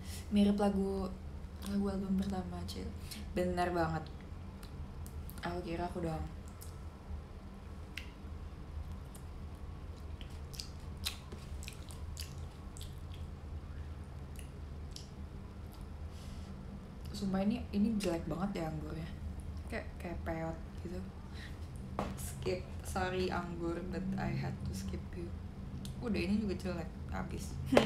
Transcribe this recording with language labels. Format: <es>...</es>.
<id>Mirip lagu album pertama, Cil. Benar banget. Aku kira aku doang. Sumpah ini jelek banget ya anggurnya. Kayak peot gitu.</id> <en>Skip, sorry anggur, but I had to skip you.</en> <id>Udah, ini juga jelek, abis.</id>